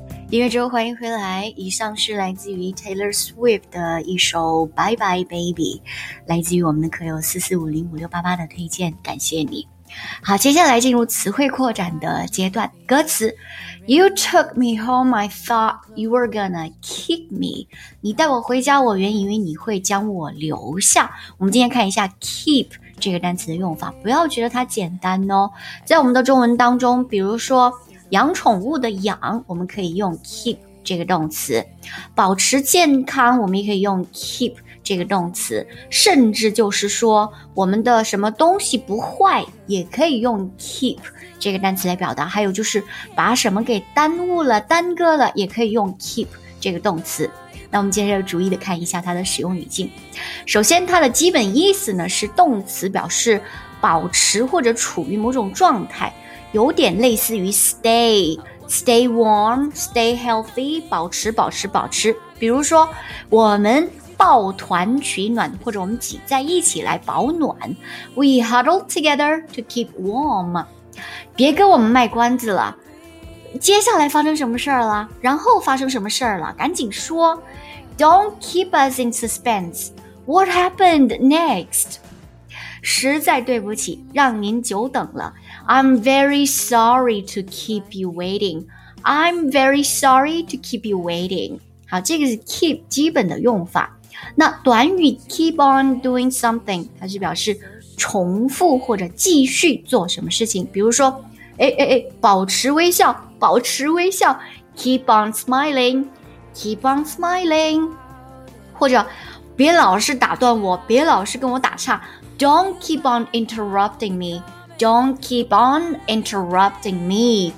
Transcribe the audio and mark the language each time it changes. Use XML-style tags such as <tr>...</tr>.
<zh>音乐之后欢迎回来，以上是来自于 Taylor Swift 的一首 Bye Bye Baby， 来自于我们的客友445056688的推荐，感谢你。好，接下来进入词汇扩展的阶段，歌词</zh> <en>You took me home, I thought you were gonna kick me.</en> <zh>你带我回家，我原以为你会将我留下。我们今天看一下 keep 这个单词的用法，不要觉得它简单哦。在我们的中文当中，比如说养宠物的养，我们可以用 keep 这个动词，保持健康，我们也可以用 keep这个动词，甚至就是说我们的什么东西不坏也可以用 keep 这个单词来表达，还有就是把什么给耽误了耽搁了也可以用 keep 这个动词。那我们接着逐一的看一下它的使用语境。首先它的基本意思呢是动词表示保持或者处于某种状态，有点类似于</zh> <en>stay warm, stay healthy,</en> <zh>保持保持保持。比如说我们抱团取暖，或者我们挤在一起来保暖。</zh> <en>We huddle together to keep warm.</en> <zh>别给我们卖关子了。接下来发生什么事儿了？然后发生什么事儿了？赶紧说。</zh> <en>Don't keep us in suspense. What happened next?</en> <zh>实在对不起，让您久等了。</zh> <en>I'm very sorry to keep you waiting. I'm very sorry to keep you waiting.</en> <zh>好，这个是 keep 基本的用法。那短语</zh> <en>keep on doing something</en> <zh>它是表示重复或者继续做什么事情，比如说保持微笑，保持微笑，</zh> <en>keep on smiling, keep on smiling,</en> <zh>或者别老是打断我，别老是跟我打岔，</zh> <en>don't keep on interrupting me,</en> <zh>don't keep on interrupting me.</zh>